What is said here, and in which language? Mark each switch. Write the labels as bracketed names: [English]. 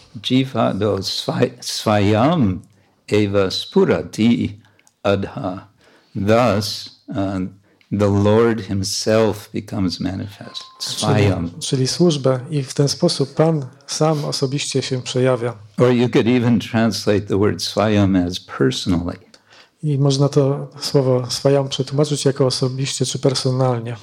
[Sanskrit] Jiva do svayam eva spurati adha. [English] Thus, the Lord himself becomes manifest, swayam. [Polish] Czyli służba i w ten sposób Pan sam osobiście się przejawia. [English] Or you could even translate the word swayam as personally. [Polish] I można to słowo swayam przetłumaczyć jako osobiście czy personalnie.